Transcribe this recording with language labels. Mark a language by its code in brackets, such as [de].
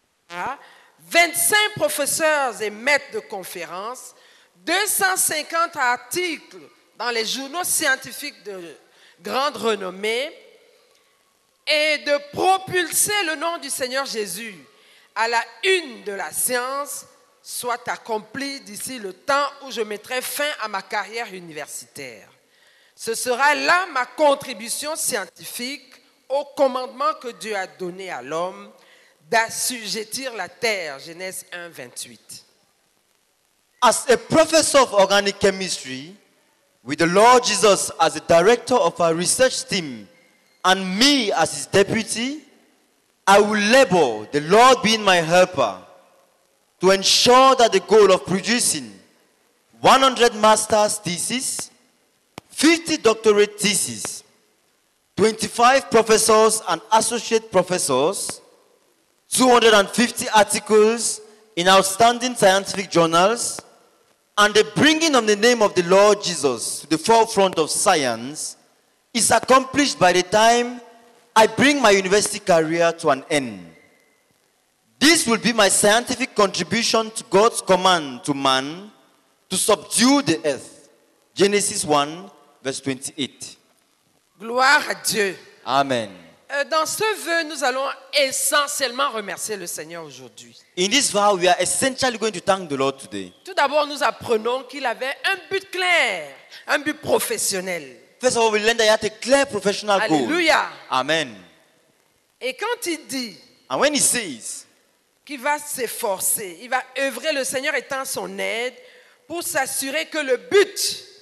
[fr] à 25 professeurs et maîtres de conférences, 250 articles dans les journaux scientifiques de grande renommée, et de propulser le nom du Seigneur Jésus à la une de la science soit accompli d'ici le temps où je mettrai fin à ma carrière universitaire. Ce sera là ma contribution scientifique au commandement que Dieu a donné à l'homme d'assujettir la terre, Genèse 1, 28. [en] As a professor of organic chemistry, with the Lord Jesus as the director of our research team and me as his deputy, I will labor, the Lord being my helper, to ensure that the goal of producing 100 master's theses, 50 doctorate theses, 25 professors and associate professors, 250 articles in outstanding scientific journals, and the bringing of the name of the Lord Jesus to the forefront of science is accomplished by the time I bring my university career to an end. This will be my scientific contribution to God's command to man to subdue the earth. Genesis 1, verse 28. [fr] Gloire à Dieu. Amen. Dans ce vœu, nous allons essentiellement remercier le Seigneur aujourd'hui. [en] In this vow, we are essentially going to thank the Lord today. [fr] Tout d'abord, nous apprenons qu'il avait un but clair, un but professionnel. [en] First of all, we learned that he had a clear professional goal. Alléluia. Amen. [fr] Et quand il dit, [en] and when he says, [fr] qu'il va s'efforcer, il va œuvrer, le Seigneur étant son aide, pour s'assurer que le but,